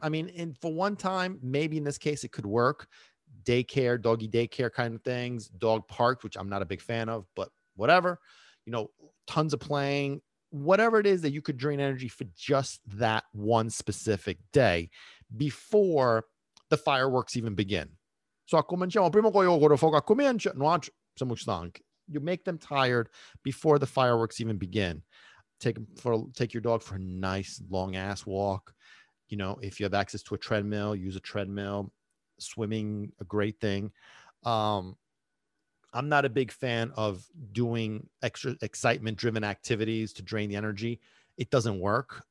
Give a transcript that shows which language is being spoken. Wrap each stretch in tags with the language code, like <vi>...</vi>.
<en>I mean, and for one time, maybe in this case, it could work. Daycare, doggy daycare kind of things, dog park, which I'm not a big fan of, but whatever, you know, tons of playing, whatever it is that you could drain energy for just that one specific day before the fireworks even begin.</en> <it>So cominciamo prima che il fuoco comincia, non siamo stanchi.</it> <en>You make them tired before the fireworks even begin. Take your dog for a nice long ass walk. You know, if you have access to a treadmill, use a treadmill. Swimming, a great thing. I'm not a big fan of doing extra excitement driven activities to drain the energy. It doesn't work.</en>